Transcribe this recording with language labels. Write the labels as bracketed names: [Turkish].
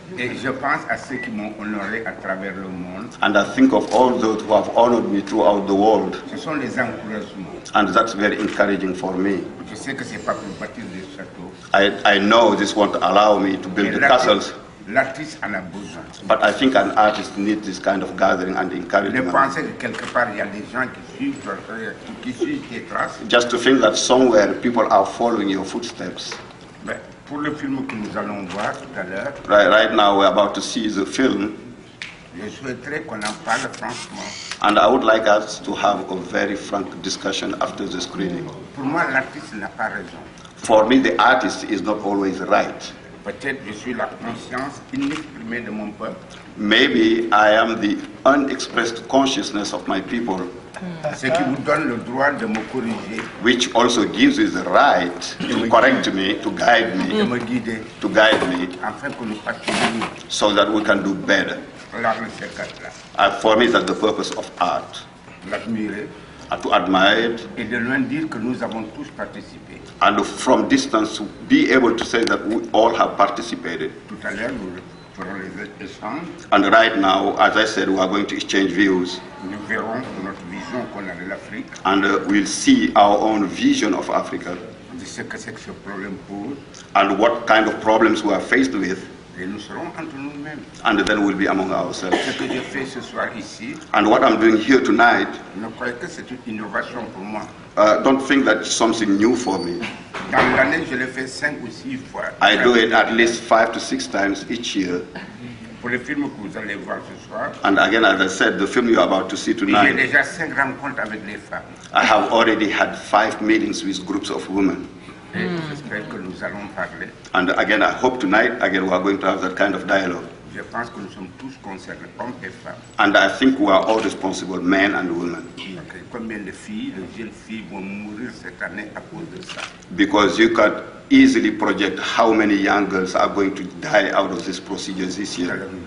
[French] et je pense à ceux qui m'ont honoré à travers le monde, [English] and I think of all those who have honored me throughout the world, [French] ce sont les encouragements, [English] and that's very encouraging for me. [French] Je sais que c'est pas pour bâtir des châteaux. [English] I know this won't allow me to build the castles. [French] L'artiste en a besoin. [English] But I think an artist needs this kind of gathering and encouragement. [French] Ne pensez que quelque part il y a des gens qui suivent, qui suivent tes traces. [English] Just to think that somewhere people are following your footsteps. [French] Mais pour le film que nous allons voir tout à l'heure. [English] Right now we're about to see the film. [French] Je souhaiterais qu'on en parle franchement. [English] And I would like us to have a very frank discussion after the screening. [French] Pour moi, l'artiste n'a pas raison. [English] For me, the artist is not always right. [French] Peut-être je suis la conscience inexprimée de mon peuple. [English] Maybe I am the unexpressed consciousness of my people. [French] Ce qui vous donne le droit de me corriger. [English] Which also gives you the right to correct me, to guide me, [French] de me guider, [English] to guide me, [French] afin que nous fassions mieux, [English] so that we can do better. [French] L'art, [English] for me, that's the purpose of art. [French] L'admirer. [English] To admire it. [French] Et de loin dire que nous avons tous participé. [English] And from distance, be able to say that we all have participated. [French] Tout à l'heure, nous ferons les échanges. [English] And right now, as I said, we are going to exchange views. [French] Nous verrons notre vision qu'on a de l'Afrique. [English] And we'll see our own vision of Africa. [French] De ce que c'est que ce problème pose. [English] And what kind of problems we are faced with. [French] Et nous serons entre nous-mêmes. [English] And then we'll be among ourselves. [French] Ce que je fais ce soir ici, [English] and what I'm doing here tonight, [French] ne croyez que c'est une innovation pour moi. [English] Don't think that's something new for me. [French] Dans l'année, je le fais 5 ou 6 fois. [English] I do it at least 5 to 6 times each year. [French] Pour le film que vous allez voir ce soir, [English] and again, as I said, the film you're about to see tonight, [French] j'ai déjà 5 rencontres avec les femmes. [English] I have already had 5 meetings with groups of women. [French] J'espère que nous allons parler. [English] And again, I hope tonight, again, we are going to have that kind of dialogue. [French] Je pense que nous sommes tous concernés, hommes et femmes. [English] And I think we are all responsible, men and women. Okay. [French] Combien de filles, de jeunes filles vont mourir cette année à cause de ça? [English] Because you could easily project how many young girls are going to die out of this procedure this year.